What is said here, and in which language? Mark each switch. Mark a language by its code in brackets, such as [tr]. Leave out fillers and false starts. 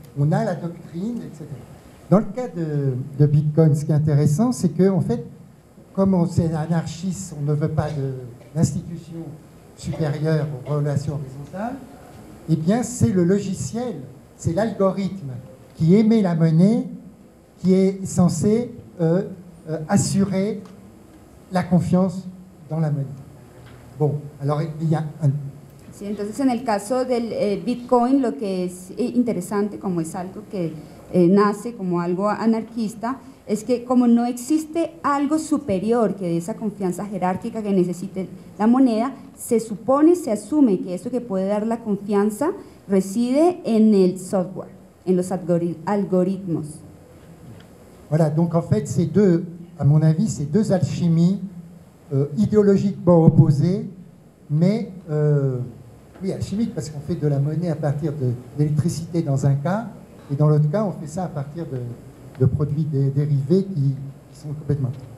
[fr] On a la doctrine, etc. Dans le cas de Bitcoin, ce qui est intéressant, c'est que, en fait, comme on est anarchiste, on ne veut pas d'institution supérieure aux relations horizontales, eh bien, c'est le logiciel, c'est l'algorithme qui émet la monnaie qui est censé assurer la confiance dans la monnaie. Bon, alors il y a un... [es] Sí, entonces, en el caso del Bitcoin, lo que es interesante, como es algo que nace como algo anarquista, es que como no existe algo superior que dé esa confianza jerárquica que necesite la moneda, se supone, se asume que eso que puede dar la confianza reside en el software, en los algoritmos. [fr] Voilà, donc en fait, c'est deux, à mon avis, c'est deux alchimies idéologiquement opposées, mais, oui, alchimiques, parce qu'on fait de la monnaie à partir d'électricité dans un cas, et dans l'autre cas, on fait ça à partir de produits dérivés qui sont complètement...